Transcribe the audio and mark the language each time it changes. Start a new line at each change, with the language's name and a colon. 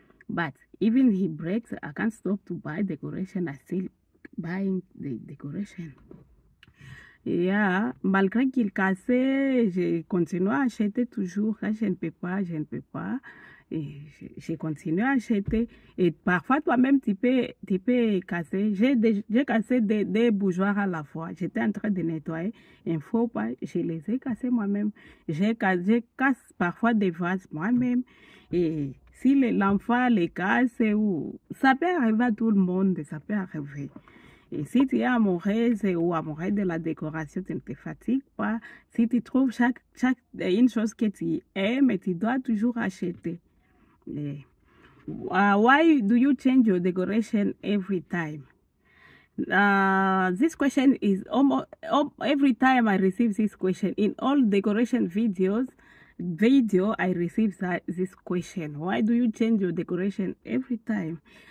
English: But even he breaks, I can't stop to buy decoration. I still buying the decoration.
French: Yeah, malgré qu'il cassait, je continue à acheter toujours. Je ne peux pas. Et j'ai continué à acheter. Et parfois, toi-même, tu peux casser. J'ai cassé des bougeoirs à la fois. J'étais en train de nettoyer. Il faut pas. Je les ai cassés moi-même. J'ai cassé parfois des vases moi-même. Et si l'enfant les casse, ça peut arriver à tout le monde. Ça peut arriver. Et si tu es amoureuse ou amoureuse de la décoration, tu ne te fatigues pas. Si tu trouves chaque une chose que tu aimes, tu dois toujours acheter.
English: Why do you change your decoration every time? This question is almost every time I receive this question in all decoration videos. Video I receive this question: why do you change your decoration every time?